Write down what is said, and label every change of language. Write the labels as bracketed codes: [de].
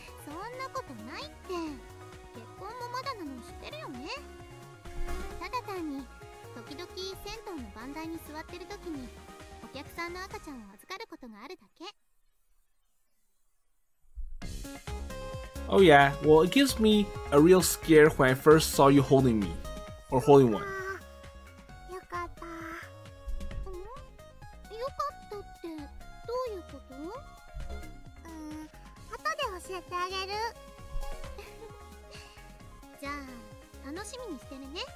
[ja] そんなことないって。結婚もまだなの知ってるよね。ただ単に時々銭湯の番台に座ってる時にお客さんの赤ちゃんを預かることがあるだけ。 [en] Oh yeah, well it gives me a real scare when I first saw you holding me or holding one. [ja] よかった。よかったってどういうこと？後で教えてあげる。じゃあ楽しみにしてるね。